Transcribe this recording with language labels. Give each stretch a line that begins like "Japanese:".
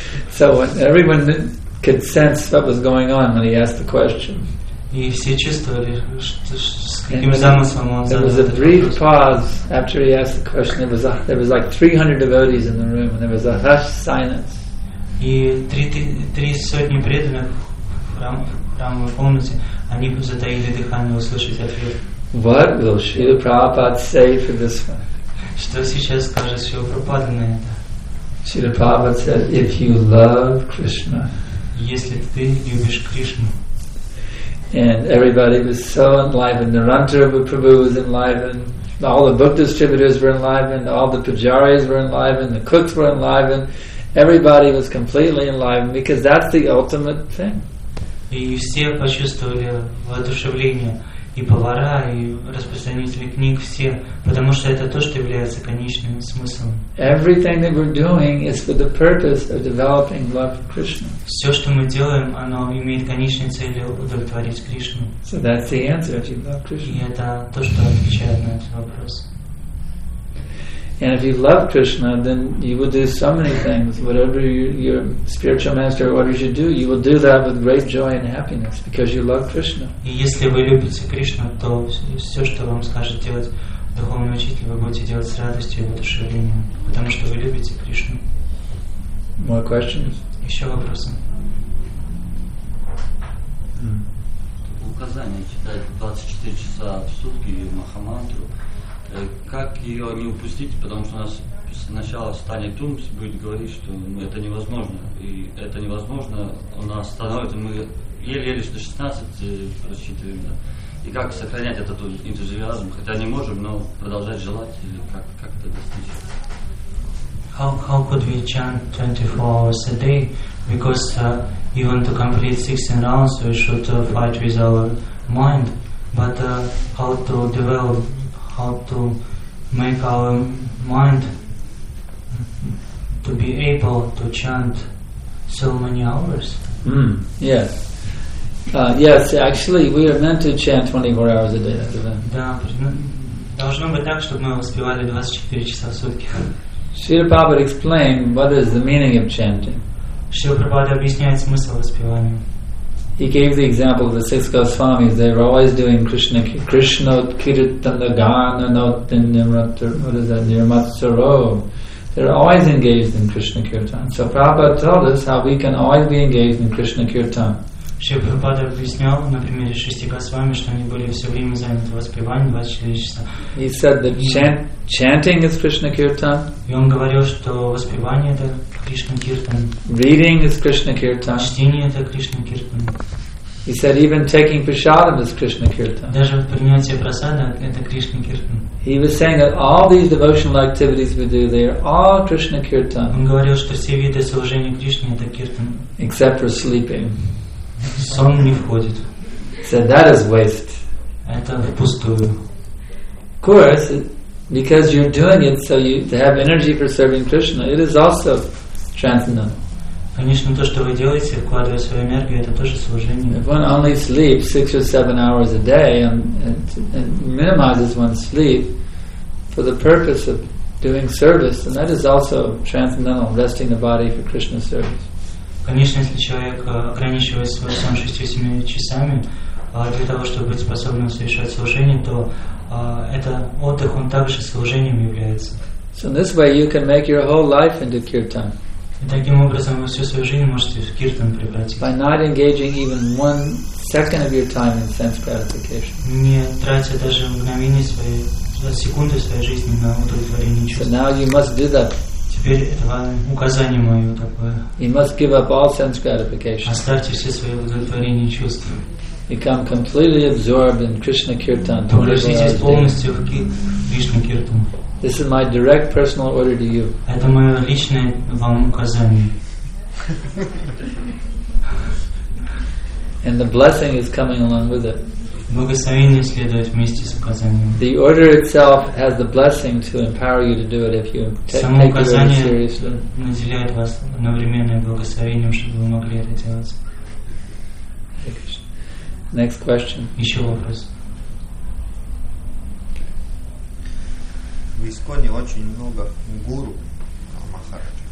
English: So when everyone could sense what was going on when he asked the question. There was a brief pause after he asked the question. There was like 300 devotees in the room, and there was a hushed silence.
Russian: И три сотни преданных в комнате, они затаили дыхание, услышать ответ.
English: What will Srila Prabhupada say for this one?
Russian: Что сейчас скажет Srila Prabhupada на это?
English: Srila Prabhupada said, "If you love Krishna."
Russian: Если ты любишь Кришну.
English: And everybody was so enlivened. Narantara Prabhu was enlivened. All the book distributors were enlivened. All the pujaris were enlivened. The cooks were enlivened. Everybody was completely enlivened because that's the ultimate thing.
Russian: И все почувствовали воодушевление. И повара, и распространители книг, все. Потому что это то, что является конечным смыслом.
English: Everything that we're doing is for the purpose of developing love for Krishna.
Russian: Все, что мы делаем, оно имеет конечной целью удовлетворить Кришну.
English: So that's the answer, if you love Krishna.
Russian: И это то, что отвечает на этот вопрос.
English: And if you love Krishna, then you will do so many things. Whatever your spiritual master orders you do, you will do that with great joy and happiness because you love Krishna.
Russian: И если вы любите Кришну, то все, что вам скажет делать духовный учитель, вы будете делать с радостью и воодушевлением, потому что вы любите Кришну.
English: More questions?
Russian: Еще вопросы? Указание читать 24 часа в сутки Махамантру. Как ее не упустить, потому что у нас сначала станет ум, будет говорить, что это невозможно. И это невозможно, у нас становится, мы еле-еле что 16 просчитываем. Да. И как сохранять этот энтузиазм, хотя не можем, но продолжать желать, или как это достичь?
English: How could we chant 24 hours a day? Because even to complete 16 rounds, we should fight with our mind. But how to develop, how to make our mind to be able to chant so many hours. Yes, actually we are meant to chant 24 hours a day.
Russian: Да, должно быть так, чтобы мы успевали 24 часа в сутки.
English: Srila Prabhupada explained what is the meaning of chanting.
Russian: Srila Prabhupada объясняет смысл воспевания.
English: He gave the example of the six Goswamis. They were always doing Krishna, Krishna, Kirtana, Gana, Nirmatsaro. They're always engaged in Krishna Kirtan. So Prabhupada told us how we can always be engaged in Krishna Kirtan.
Russian: Шри Прабхупада объяснял на примере шести Госвами, что они были все время заняты воспеванием 24 часа.
English: He said that chanting is Krishna Kirtan.
Russian: И он говорил, что воспевание это Кришна Киртан.
English: Reading is Krishna Kirtan.
Russian: Чтение это Кришна Киртан.
English: He said even taking prasadam is Krishna Kirtan.
Russian: Даже принятие прасада это Кришна Киртан.
English: He was saying that all these devotional activities we do, they are all Krishna Kirtan.
Russian: Он говорил, что все виды служения Кришне это Киртан.
English: Except for sleeping.
Russian: Сон не входит.
English: So that is waste.
Russian: Это впустую.
English: Of course, because you're doing it so you have energy for serving Krishna, it is also transcendental.
Russian: Конечно, то, что вы делаете, вкладывая свою энергию, это тоже служение.
English: If one only sleeps 6 or 7 hours a day and minimizes one's sleep for the purpose of doing service, then that is also transcendental, resting the body for Krishna's service.
Russian: Конечно, если человек ограничивает свой сон 6-7 часами для того, чтобы быть способным совершать служение, то это отдых, он также служением является.
English: So this way you can make your whole life into kirtan.
Russian: И таким образом вы всю свою жизнь можете в киртан превратить.
English: By not engaging even 1 second of your time in sense gratification.
Russian: Не тратя даже мгновение своей, секунды своей жизни на удовлетворение чувств.
English: So now you must do that.
Russian: Теперь это вам указание мое такое.
English: You must give up all sense gratification.
Russian: Оставьте все свои удовлетворения чувств.
English: Become completely absorbed in Krishna Kirtan.
Russian: Погрузитесь полностью в Кришна Киртан.
English: This is my direct personal order to you.
Russian: Это мое личное вам указание.
English: And the blessing is coming along with it.
Russian: Благословение следует вместе с указанием.
English: The order itself has the blessing to empower you to do it if you take it seriously.
Russian: Само указание наделяет вас одновременным благословением, чтобы вы могли это делать.
English: Next question.
Russian: Еще вопрос. В Исконе очень много гуру Махараджа.